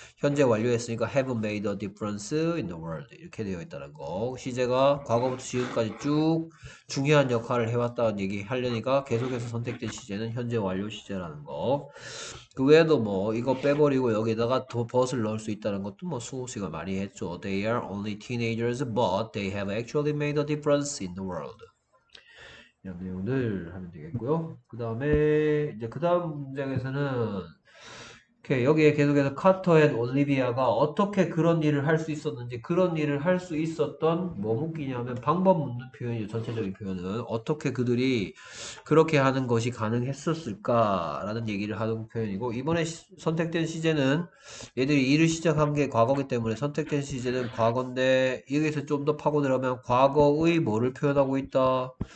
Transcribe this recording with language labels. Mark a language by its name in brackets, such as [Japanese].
[Korean] 현재 완료했으니까 [English] have made a difference in the world. [Korean] 이렇게 되어 있다는 거. 시제가 과거부터 지금까지 쭉 중요한 역할을 해왔다는 얘기 하려니까 계속해서 선택된 시제는 현재 완료 시제라는 거. 그 외에도 뭐 이거 빼버리고 여기다가 더 벗을 넣을 수 있다는 것도 뭐 수고식을 많이 했죠. [English] They are only teenagers, but they have actually made a difference in the world. [Korean] 이런 내용을 하면 되겠고요. 그 다음에 이제 그 다음 문장에서는 여기에 계속해서 카터 앤 올리비아가 어떻게 그런 일을 할수 있었는지, 그런 일을 할수 있었던 뭐 묶이냐면 방법 묻는 표현이죠. 전체적인 표현은 어떻게 그들이 그렇게 하는 것이 가능했었을까라는 얘기를 하는 표현이고, 이번에 선택된 시제는 얘들이 일을 시작한 게 과거기 때문에 선택된 시제는 과거인데, 여기서 좀더 파고들어가면 과거의 뭐를 표현하고 있다.